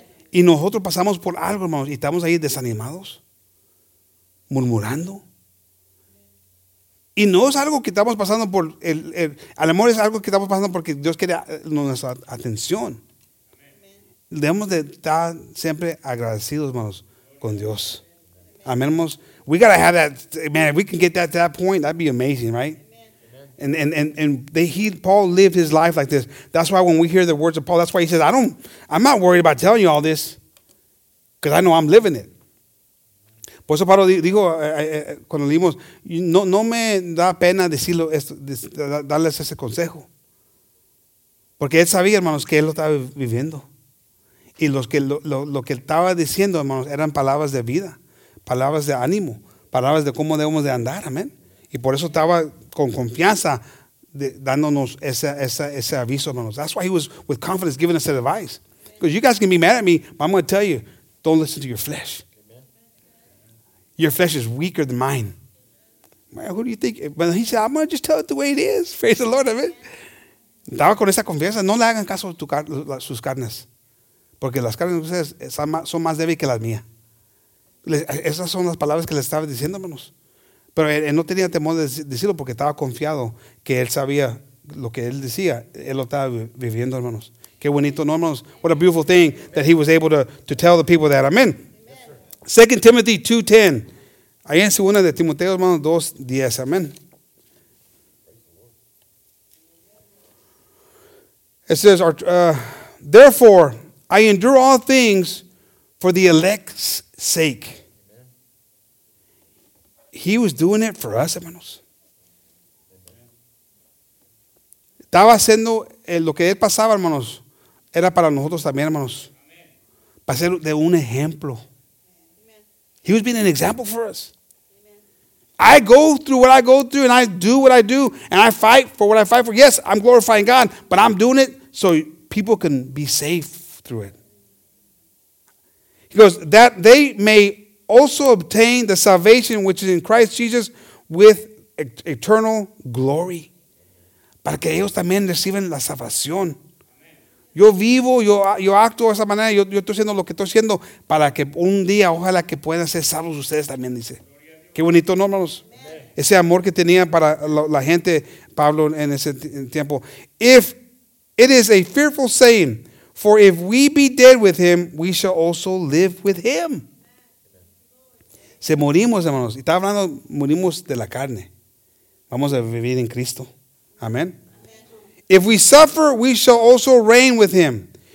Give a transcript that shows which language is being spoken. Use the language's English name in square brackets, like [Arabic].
[Spanish] Y nosotros pasamos por algo, hermanos, y estamos ahí desanimados, murmurando. Y no es algo que estamos pasando por, a lo mejor es algo que estamos pasando porque Dios quiere nuestra atención. Amén. Debemos de estar siempre agradecidos, hermanos, con Dios. Amén, hermanos. [English] We got to have that, man, if we can get that to that point, that'd be amazing, right? Amen. Paul lived his life like this. That's why when we hear the words of Paul, that's why he says, I'm not worried about telling you all this because I know I'm living it. [Spanish] Por eso Pablo dijo, cuando leímos, no me da pena decirlo, darles ese consejo. Porque él sabía, hermanos, que él lo estaba viviendo. Y lo que estaba diciendo, hermanos, eran palabras de vida, palabras de ánimo, palabras de cómo debemos de andar, amén. Y por eso estaba con confianza dándonos ese aviso, hermanos. [English] That's why he was with confidence giving us that advice. Because you guys can be mad at me, but I'm going to tell you, don't listen to your flesh. Your flesh is weaker than mine. Man, who do you think? But he said, I'm going to just tell it the way it is. Praise the Lord, amen. [Spanish] Estaba con esa confianza. No le hagan caso a sus carnes. Porque las carnes de ustedes son más débiles que las mías. Esas son las palabras que le estaba diciendo, hermanos. Pero él no tenía temor de decirlo porque estaba confiado que él sabía lo que él decía. Él lo estaba viviendo, hermanos. Qué bonito, ¿no, hermanos? [English] What a beautiful thing that he was able to tell the people that, amen. [Spanish] 2 Timothy 2:10. Ahí en segunda de Timoteo, hermanos, 2:10. Amén. [English] It says, therefore, I endure all things for the elect's sake. He was doing it for us, hermanos. [Spanish] Estaba haciendo lo que él pasaba, hermanos. Era para nosotros también, hermanos. Para ser de un ejemplo. [English] He was being an example for us. Amen. I go through what I go through and I do what I do and I fight for what I fight for. Yes, I'm glorifying God, but I'm doing it so people can be safe through it. He goes, that they may also obtain the salvation which is in Christ Jesus with eternal glory. [Spanish] Para que ellos también reciban la salvación. Yo vivo, yo acto de esa manera, yo estoy haciendo lo que estoy haciendo para que un día, ojalá que puedan ser salvos ustedes también, dice. Qué bonito, ¿no, hermanos? Amen. Ese amor que tenía para la gente, Pablo, en ese tiempo. [English] If it is a fearful saying, for if we be dead with him, we shall also live with him. [Spanish] Se morimos, hermanos. Y estaba hablando, morimos de la carne. Vamos a vivir en Cristo. Amén. [English] If we suffer, we shall also reign with him.